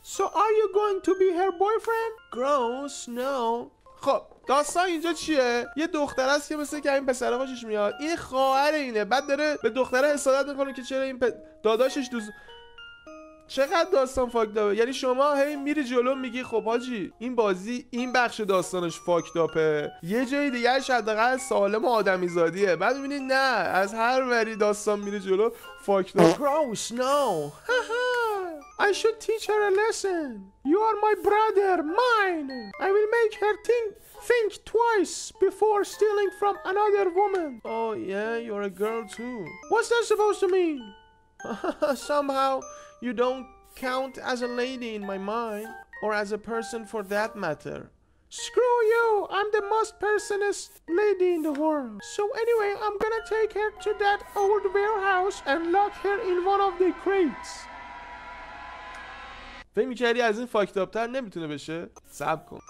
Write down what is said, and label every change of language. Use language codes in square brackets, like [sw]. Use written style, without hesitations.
[en] So are you going to be her boyfriend? Gross, no. [fa] خب داستان اینجا چیه؟ یه دختر هست که مثل که این پسر خوشش میاد. این خواهر اینه. بعد داره به دختره حسادت میکنه که چرا این داداشش دوز... چقدر داستان فاکداپه؟ یعنی شما هی میری جلو میگی خب حاجی این بازی این بخش داستانش فاکداپه، یه جایی دیگرش حداقل سالم و آدمیزادیه، بعد میبینی نه از هر وری داستان میری جلو فاکداپ. [en] Gross, no. I should teach her a lesson. You are my brother, mine. I will make her think twice before stealing from another woman. Oh yeah, you're a girl too. What's that supposed to mean? Somehow you don't count as a lady in my mind, or as a person for that matter. Screw you! I'm the most personest lady in the world. So anyway, I'm gonna take her to that old warehouse and lock her in one of the crates. [fa] فهم میکردی از این [en] fucked up [fa] تر نمیتونه بشه؟ سب کن.